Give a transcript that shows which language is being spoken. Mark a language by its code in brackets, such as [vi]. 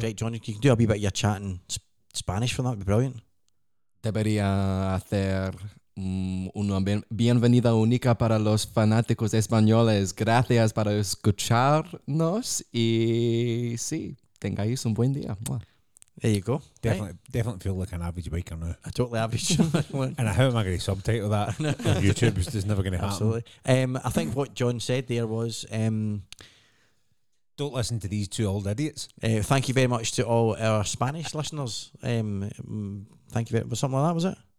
[en] Right, John, you can do a wee bit of your chat in Spanish for that. It'd be brilliant. [es] Debería hacer... una bienvenida única para los fanáticos españoles. Gracias por escucharnos y sí, tengáis un buen día. [en] There you go. Definitely, right. Definitely feel like an average biker now. A totally average. And how am I going to subtitle that on YouTube? It's never going to happen. Absolutely. I think what John said there was... don't listen to these two old idiots. Thank you very much to all our Spanish listeners. Thank you very much. Something like that, was it?